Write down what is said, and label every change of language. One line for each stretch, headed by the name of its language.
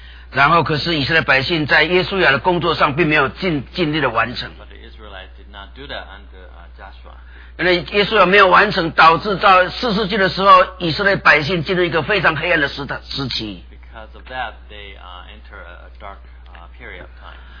Chinese: 然后可是以色列百姓在耶稣亚的工作上并没有尽力的完成。
English: But the Israelites did not do that under Joshua.
Chinese: 因为耶稣亚没有完成，导致到四世纪的时候，以色列百姓进入一个非常黑暗的时期。
English: Because of that, they enter a dark period of time.